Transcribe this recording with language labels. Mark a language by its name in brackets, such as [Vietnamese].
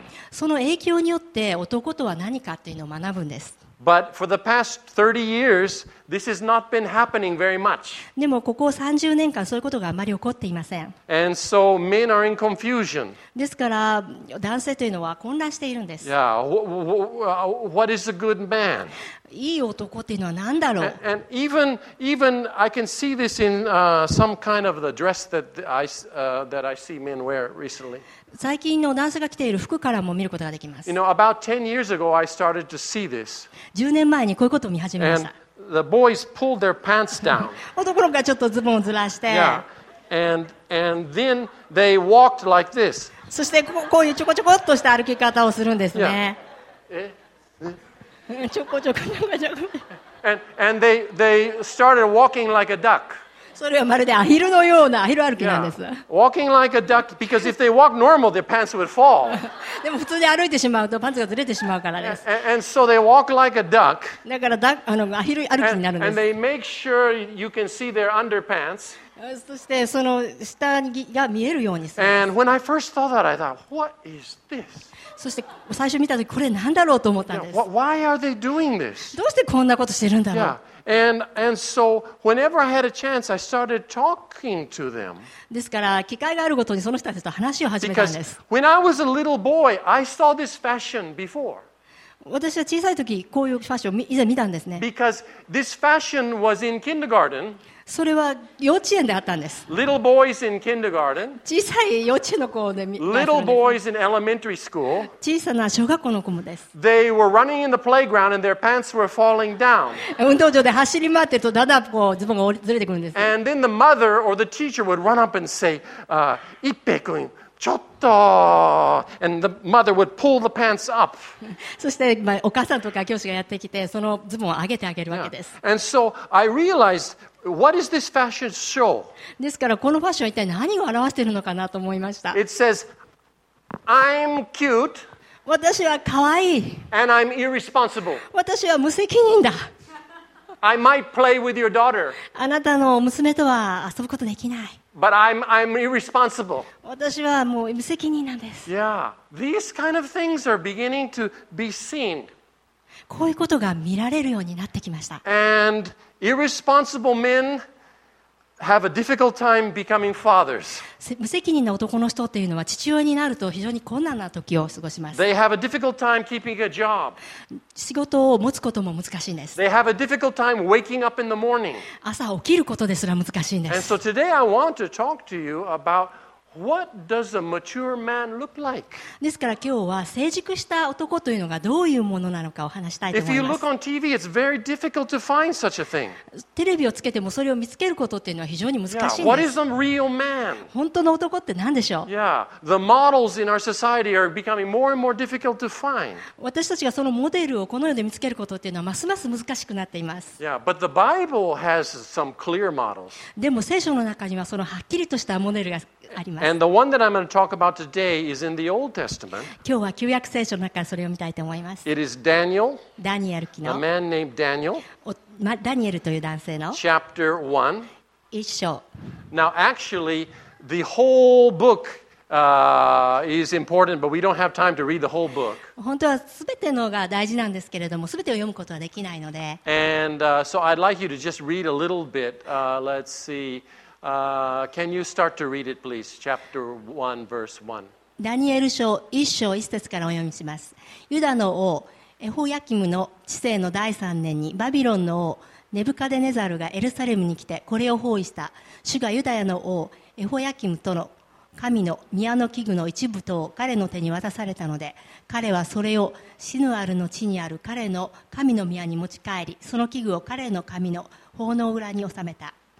[Japanese] その影響によって男とは何かというのを学ぶんです。 [English] But for the past 30 years, this has not been happening very much. [Japanese] でもここ30年間そういうことがあまり起こっていません。 [English] And so men are in confusion. [Japanese] ですから男性というのは混乱しているんです。 [English] Yeah, what is a good man? [Japanese] いい男っていうのは何だろう。 [English] And even I can see this in some kind of the dress that I see men wear recently. [Japanese] 最近の男性が着ている服からも見ることができます。 [English] You know, about 10 years ago, I started to see this. [Japanese] 10年前にこういうことを見始めました。 [English] And the boys pulled their pants down. [Japanese] 男の子がちょっとズボンをずらして、 [English] yeah. and then they walked like this. [Japanese] そしてこういうちょこちょこっとした歩き方をするんですね、 [English] yeah. [Japanese] ちょこちょこちょこちょこ [English] and they started walking like a duck. [Japanese] それはまるでアヒルのようなアヒル歩きなんです。 [English] Yeah. Walking like a duck, because if they walk normal, their pants would fall. [Japanese] でも普通に歩いてしまうとパンツがずれてしまうからです。 [English] And so they walk like a duck. [Japanese] だからあのアヒル歩きになるんです。 [English] And they make sure you can see their underpants. [Japanese] そしてその下着が見えるようにする。 [English] And when I first saw that, I thought, what is this? [Japanese] そして最初見た時これなんだろうと思ったんです。 [English] Yeah. Why are they doing this? [Japanese] どうしてこんなことしてるんだろう。 [English] Yeah. And so whenever I had a chance, I started talking to them. [Japanese] ですから機会があるごとにその人たちと話を始めたんです。 [English] When I was a little boy, I saw this fashion before. [Japanese] 私は小さい時こういうファッションを以前見たんですね。 [English] Because this fashion was in kindergarten. [Japanese] それは幼稚園であったんです。 [English] Little boys in kindergarten. [Japanese] 小さい幼稚園の子で見た。 [English] Little boys in elementary school. [Japanese] 小さな小学校の子もです。 [English] They were running in the playground and their pants were falling down. [Japanese] 運動場で走り回ってるとだだこうズボンがずれてくるんです。 [English] And then the mother or the teacher would run up and say, いっぺくん。 [Japanese] ちょっと、 [English] and the mother would pull the pants up. [Japanese] そして、まあ、お母さんとか教師がやってきて、そのズボンを上げてあげるわけです。 [English] Yeah. And so I realized, what is this fashion show? [Japanese] ですから、このファッションは一体何を表しているのかなと思いました。 [English] It says, I'm cute. [Japanese] 私は可愛い。 [English] And I'm irresponsible. [Japanese] 私は無責任だ。 [English] I might play with your daughter. [Japanese] あなたの娘とは遊ぶことできない。 [English] But I'm irresponsible. [Japanese] 私はもう無責任なんです。 [English] Yeah, these kind of things are beginning to be seen. [Japanese] こういうことが見られるようになってきました。 [English] And irresponsible men have a difficult time becoming fathers. [Japanese] 無責任な男の人というのは父親になると非常に困難な時を過ごします。 [English] They have a difficult time keeping a job. [Japanese] 仕事を持つことも難しいんです。 [English] They have a difficult time waking up in the morning. [Japanese] 朝起きることですら難しいんです。 [English] And so today I want to talk to you about What does a mature man look like? [Japanese] ですから今日は成熟した男というのがどういうものなのかを話したいと思います。 [English] If you look on TV, it's very difficult to find such a thing. [Japanese] テレビをつけてもそれを見つけることっていうのは非常に難しいんです。 [English] Yeah, what is a real man? [Japanese] 本当の男って何でしょう? [English] Yeah, the models in our society are becoming more and more difficult to find. [Japanese] 私たちがそのモデルをこの世で見つけることっていうのはますます難しくなっています。 [English] Yeah, but the Bible has some clear models. [Japanese] でも聖書の中にはそのはっきりとしたモデルが [English] And the one that I'm going to talk about today is in the Old Testament. [Japanese] 今日は旧約聖書の中からそれを見たいと思います。 [English] It is Daniel. [Japanese] ダニエル記の。 [English] A man named Daniel. [Japanese] ダニエルという男性の。 [English] Chapter 1. [Japanese] 一章。 [English] Now, actually, the whole book, is important, but we don't have time to read the whole book. [Japanese] 本当はすべてのが大事なんですけれども、すべてを読むことはできないので。 [English] And, so I'd like you to just read a little bit. Let's see. Can you start to read it, please? Chapter 1, verse 1. [Japanese] ダニエル書一章一節からお読みします。ユダの王エホヤキムの治世の第三年にバビロンの王ネブカデネザルがエルサレムに来てこれを包囲した。主がユダヤの王エホヤキムとの神の宮の器具の一部とを彼の手に渡されたので、彼はそれをシヌアルの地にある彼の神の宮に持ち帰り、その器具を彼の神の宝の裏に収めた。